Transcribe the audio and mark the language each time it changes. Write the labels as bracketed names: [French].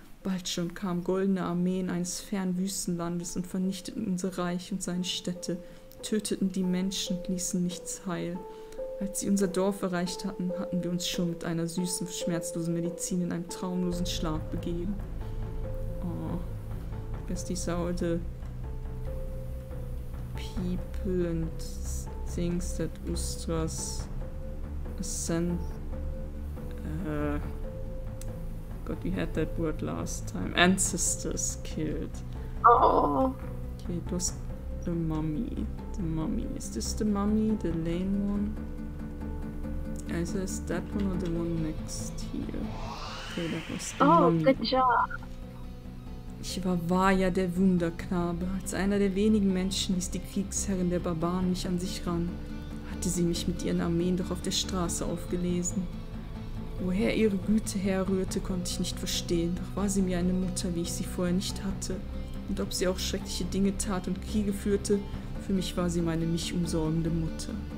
[German] Bald schon kamen goldene Armeen eines fernen Wüstenlandes und vernichteten unser Reich und seine Städte, töteten die Menschen und ließen nichts heil. Als sie unser Dorf erreicht hatten, hatten wir uns schon mit einer süßen, schmerzlosen Medizin in einem traumlosen Schlaf begeben. [English] Oh, guess these are the people and things that Ustras ascend. God, we had that word last time. Ancestors killed. Oh. Okay, it was the mummy. The mummy. Is this the mummy? The lame one? Either is that one or the one next here? Okay, that was the mummy. Oh, good job. [German] Ich war ja der Wunderknabe. Als einer der wenigen Menschen ließ die Kriegsherrin der Barbaren mich an sich ran. Hatte sie mich mit ihren Armeen doch auf der Straße aufgelesen. Woher ihre Güte herrührte, konnte ich nicht verstehen. Doch war sie mir eine Mutter, wie ich sie vorher nicht hatte. Und ob sie auch schreckliche Dinge tat und Kriege führte, für mich war sie meine mich umsorgende Mutter.